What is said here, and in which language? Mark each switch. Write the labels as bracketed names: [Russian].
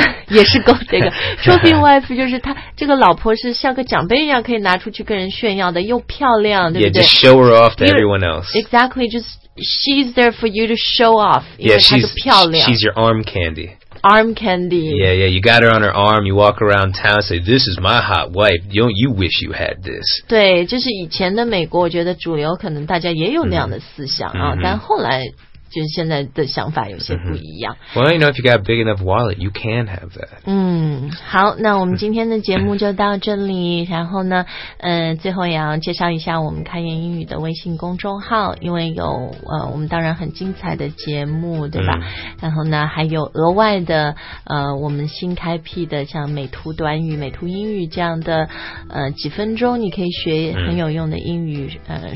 [Chinese] 也是 [English] gold digger trophy wife [Chinese] 就是他这个老婆是像个奖杯一样可以拿出去跟人炫耀的又漂亮对不对 [English] yeah just show her off to everyone else exactly just she's there for you to show off yeah [Chinese] 因为她就漂亮 [English] she's your arm candy arm candy yeah yeah you got her on her arm you walk around town say this is my hot wife you wish you had this [Chinese] 对就是以前的美国我觉得主流可能大家也有那样的思想啊、 mm-hmm. 但后来就是现在的想法有些不一样、 mm-hmm. [English] well you know if you got a big enough wallet you can have that [Chinese] 好那我们今天的节目就到这里然后呢最后也要介绍一下我们开言英语的微信公众号因为有我们当然很精彩的节目对吧、 mm-hmm. 然后呢还有额外的我们新开辟的像美图短语美图英语这样的几分钟你可以学很有用的英语、mm-hmm.